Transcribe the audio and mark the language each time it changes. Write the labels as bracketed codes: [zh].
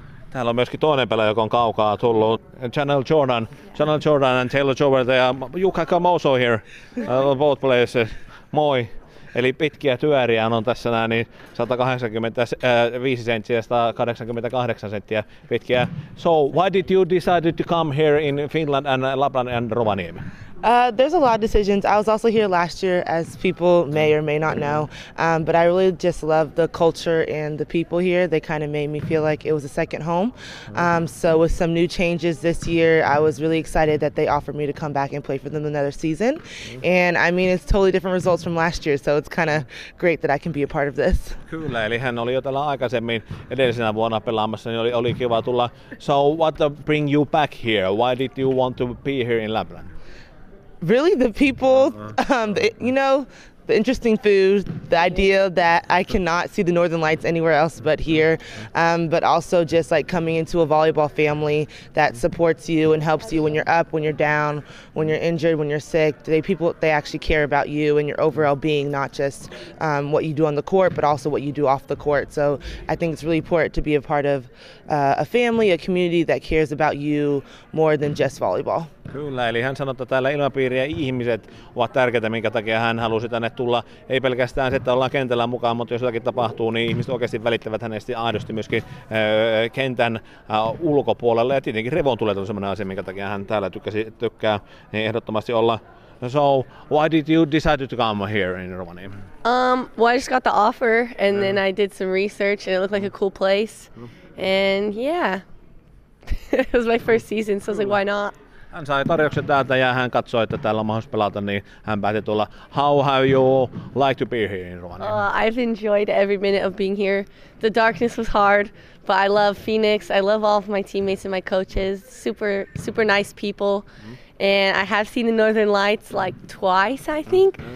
[fi] Täällä on myöskin toinen pelaaja, joka on kaukaa tullut. [en] Channel Jordan. Channel Jordan and Taylor Jordan. They are, you can come also here. Both places. Moi. [fi] Eli pitkiä työriä on tässä näin, niin 185 senttiä ja 188 senttiä pitkiä. [en] So, why did you decide to come here in Finland and Lapland and Rovaniemi? There's a lot of decisions. I was also here last year, as people may or may not know, but I really just love the culture and the people here. They kind of made me feel like it was a second home. So with some new changes this year, I was really excited that they offered me to come back and play for them another season. And I mean, it's totally different results from last year, so it's kind of great that I can be a part of this. [fi] Kyllä, eli hän oli jo täällä aikaisemmin edellisenä vuonna pelaamassa, niin oli kiva tulla. [en] So what bring you back here? Why did you want to be here in Lapland? Really, the people, you know, the interesting food, the idea that I cannot see the Northern Lights anywhere else but here, but also just like coming into a volleyball family that supports you and helps you when you're up, when you're down, when you're injured, when you're sick. They actually care about you and your overall being, not just what you do on the court, but also what you do off the court. So I think it's really important to be a part of a family, a community that cares about you more than just volleyball. [fi] Kyllä, eli hän sanoi, että täällä ilmapiiri ja ihmiset ovat tärkeitä, minkä takia hän halusi tänne tulla. Ei pelkästään se, että ollaan kentällä mukaan, mutta jos jotakin tapahtuu, niin ihmiset oikeasti välittävät hänestä aidosti myöskin kentän ulkopuolelle. Ja tietenkin Revon tulee sellainen asia, minkä takia hän täällä tykkää niin ehdottomasti olla. [en] So, why did you decide to come here in Romania? Well, I just got the offer and then I did some research and it looked like a cool place. And yeah, it was my first season, so I was like, why not? [fi] Hän sai tarjouksen täältä ja hän katsoi, että täällä on mahdollista pelata, niin hän päätti tulla. [en] How have you liked to be here in Rovaniemi? I've enjoyed every minute of being here. The darkness was hard, but I love Phoenix. I love all of my teammates and my coaches. Super, super nice people. And I have seen the Northern Lights like twice, I think.